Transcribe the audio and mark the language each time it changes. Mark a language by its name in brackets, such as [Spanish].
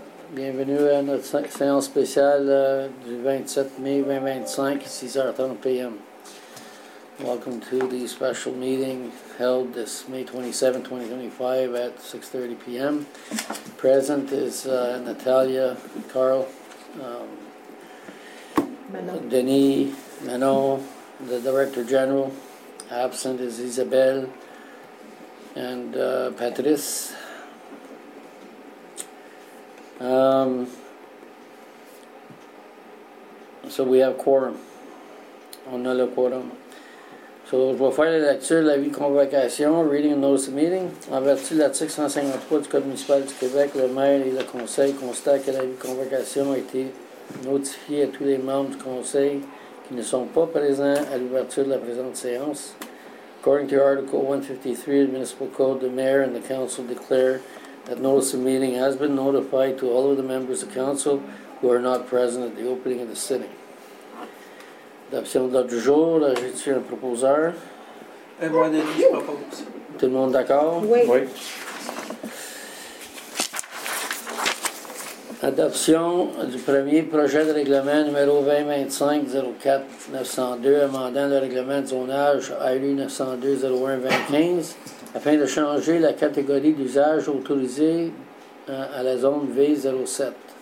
[French] Bienvenue à notre séance spéciale du 27 mai 2025, 6h30 p.m. [English] Welcome to the special meeting held this May 27, 2025 at 6:30 p.m. Present is Natalia, Carl, Denis, Manon, the Director General. Absent is Isabelle and Patrice. So we have quorum. [French] On a le quorum. So, je vais faire la lecture de l'avis de convocation, [English] reading notice of meeting. [French] En vertu de l'article 153 du Code municipal du Québec, le maire et le conseil constatent que l'avis de convocation a été notifié à tous les membres du conseil qui ne sont pas présents à l'ouverture de la présente séance. [English] According to Article 153 of the Municipal Code, the mayor and the council declare that notice of meeting has been notified to all of the members of council who are not present at the opening of the sitting. [French] D'option de l'ordre du jour, là, j'ai tué un proposeur. Et moi, Denis, je propose. Tout le monde d'accord? Oui. Oui. Adoption du premier projet de règlement numéro 2025-04-902, amendant le règlement de zonage ALU-902-01-2015, afin de changer la catégorie d'usage autorisée à la zone V07.